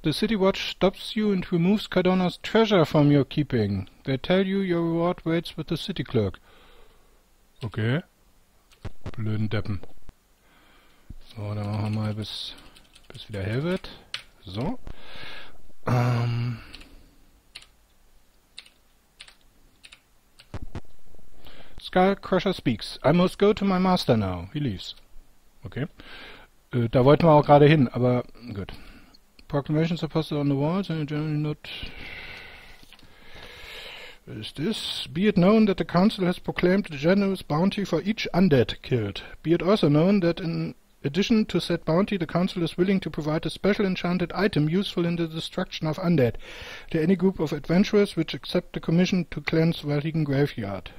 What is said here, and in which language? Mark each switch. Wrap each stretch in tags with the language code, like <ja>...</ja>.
<en>The City Watch stops you and removes Cardona's treasure from your keeping. They tell you your reward waits with the City Clerk.</en> <de>Okay. Blöden Deppen. So, dann machen wir mal bis wieder hell wird. So.</de> <en>Skull Crusher speaks. I must go to my master now. He leaves. Okay.</en> <de>Da wollten wir auch gerade hin, aber gut.</de> <en>Proclamations are posted on the walls and generally not. What is this? Be it known that the council has proclaimed a generous bounty for each undead killed. Be it also known that in addition to said bounty, the council is willing to provide a special enchanted item useful in the destruction of undead to any group of adventurers which accept the commission to cleanse Valhigan Graveyard.</en>